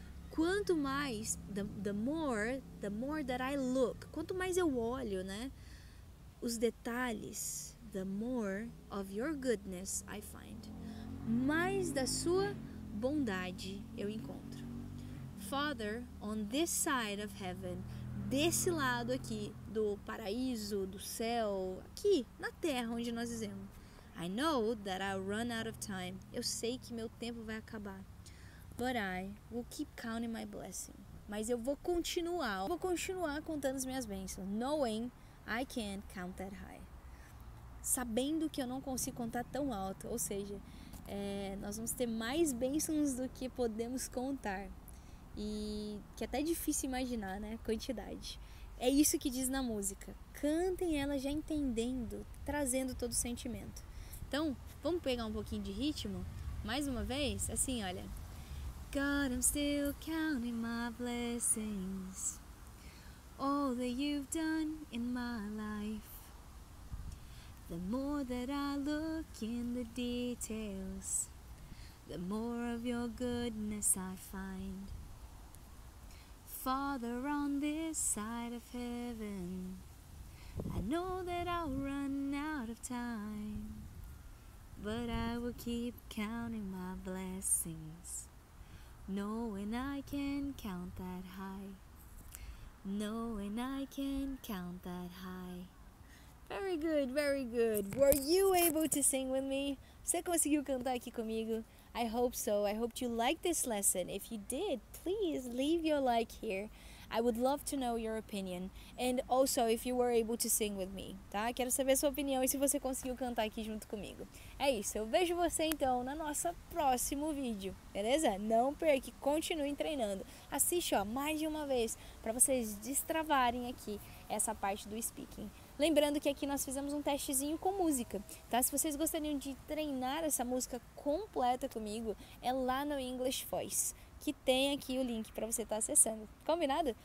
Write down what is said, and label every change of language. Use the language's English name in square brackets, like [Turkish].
[Portuguese] Quanto mais, [English] the more that I look, [Portuguese] quanto mais eu olho, né, os detalhes, [English] the more of your goodness I find. [Portuguese] Mais da sua bondade eu encontro. [English] Father, on this side of heaven, [Portuguese] desse lado aqui, do paraíso, do céu, aqui, na terra onde nós vivemos. [English] I know that I'll run out of time. [Portuguese] Eu sei que meu tempo vai acabar. [English] But I will keep counting my blessing. [Portuguese] Mas eu vou continuar. Vou continuar contando as minhas bênçãos. [English] Knowing I can't count that high. [Portuguese] Sabendo que eu não consigo contar tão alto. Ou seja, nós vamos ter mais bênçãos do que podemos contar. E que é até difícil imaginar, né? A quantidade. É isso que diz na música. Cantem ela já entendendo, trazendo todo o sentimento. Então, vamos pegar um pouquinho de ritmo? Mais uma vez? Assim, olha. [English] God, I'm still counting my blessings. All that you've done in my life. The more that I look in the details, the more of your goodness I find. Father, on this side of heaven, I know that I'll run out of time. But I will keep counting my blessings, knowing I can count that high. Knowing I can count that high. Very good, very good. Were you able to sing with me? [Portuguese] Você conseguiu cantar aqui comigo? [English] I hope so. I hope you liked this lesson. If you did, please leave your like here. I would love to know your opinion. And also, if you were able to sing with me, tá? [Portuguese] Quero saber a sua opinião e se você conseguiu cantar aqui junto comigo. É isso. Eu vejo você, então, no nosso próximo vídeo. Beleza? Não perca. Continue treinando. Assiste, ó, mais de uma vez para vocês destravarem aqui essa parte do speaking. Lembrando que aqui nós fizemos um testezinho com música, tá? Se vocês gostariam de treinar essa música completa comigo, é lá no English Voice, que tem aqui o link para você estar acessando. Combinado?